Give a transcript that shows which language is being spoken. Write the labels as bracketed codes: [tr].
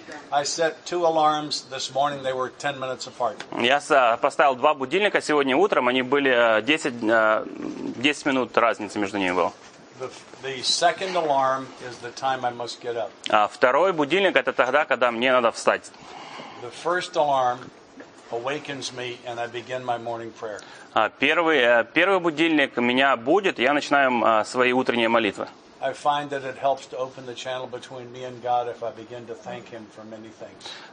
[en] I set two alarms this morning. They were 10 minutes apart. [ru] Я поставил два будильника сегодня утром. Они были 10 минут разницы между ними было. [en] The second alarm is the time I must get up. [ru] А второй будильник это тогда, когда мне надо встать. [en] The first alarm awakens me and I begin my morning prayer. [ru] А первый будильник меня будет, я начинаю свои утренние молитвы. [en] I find that it helps to open the channel between me and God if I begin to thank Him for many things.